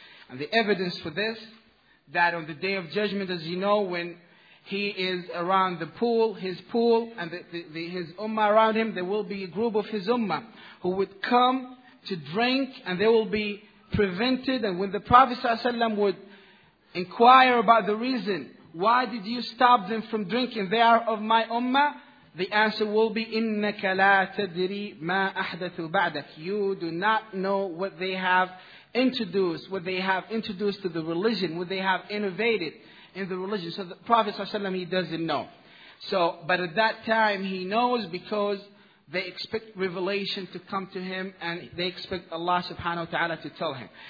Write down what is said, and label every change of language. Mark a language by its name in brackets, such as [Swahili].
[English] And the evidence for this, that on the Day of Judgment, as you know, when he is around the pool, his pool, and his ummah around him, there will be a group of his ummah who would come to drink, and they will be prevented. And when the Prophet ﷺ would inquire about the reason, why did you stop them from drinking? They are of my ummah. The answer will be, [Arabic] إِنَّكَ لَا تَدْرِي مَا أَحْدَثُ بَعْدَكَ. [English] You do not know what they have introduced, what they have introduced to the religion, what they have innovated in the religion. So the Prophet ﷺ, he doesn't know. So, but at that time he knows, because they expect revelation to come to him and they expect Allah subhanahu wa ta'ala to tell him.